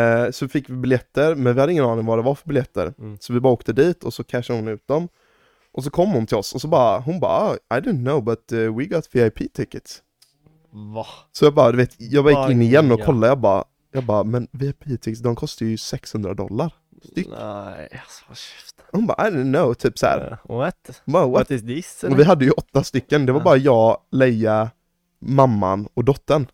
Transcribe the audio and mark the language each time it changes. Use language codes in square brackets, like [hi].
[sv] så fick vi biljetter. Men vi hade ingen aning vad det var för biljetter. Mm. Så vi bara åkte dit och så cashade hon ut dem. Och så kom hon till oss. Och så bara, hon bara, [en] oh, I don't know, but we got VIP tickets. [sv] Va? Så jag bara, du vet, jag bara gick in igen och kollade. Jag bara, men VIP-tickets, de kostar ju $600 styck. Nej, alltså vad skift. Hon bara, [en] I don't know, [sv] typ såhär. [en] What? What is this? [sv] Och vi hade ju 8 stycken. Det var bara jag, Leia, mamman och dottern.